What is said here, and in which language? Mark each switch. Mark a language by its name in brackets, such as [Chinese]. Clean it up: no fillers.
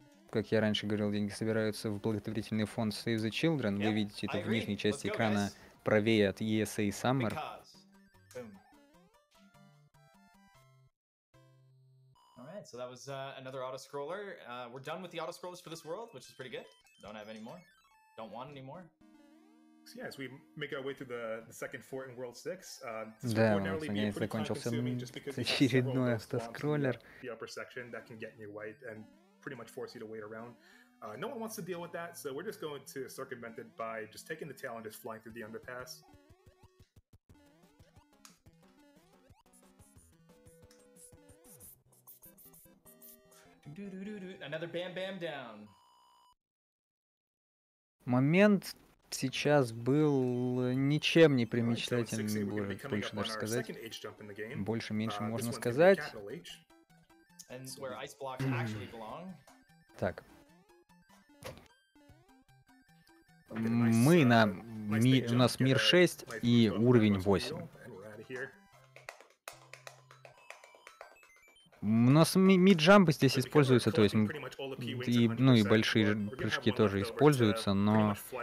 [Russian] Как я раньше говорил, деньги собираются в благотворительный фонд Save the Children. Вы видите это в нижней части экрана, правее от ESA Summer. [English] Alright, so that was another autoscroller. We're done with the autoscrollers for this world, which is pretty good. Don't have any more. Don't want any more. So yeah, as we make our way through the second fort in World 6, [Russian] да, вот, наконец, закончился очередной автоскроллер. [English] The upper section that can get in your way and pretty much force you to wait around. No one wants to deal with that, so we're just going to circumvent it by just taking the tail and just flying through the underpass. Another bam bam down. [Russian] Момент сейчас был ничем не примечательным, можно больше даже сказать. Больше меньше можно сказать. [English] And where ice blocks actually belong. [Russian] Так. Мы на... у нас мир 6 и уровень 8. У нас миджампы здесь используются, то есть... И, ну и большие прыжки тоже используются, но...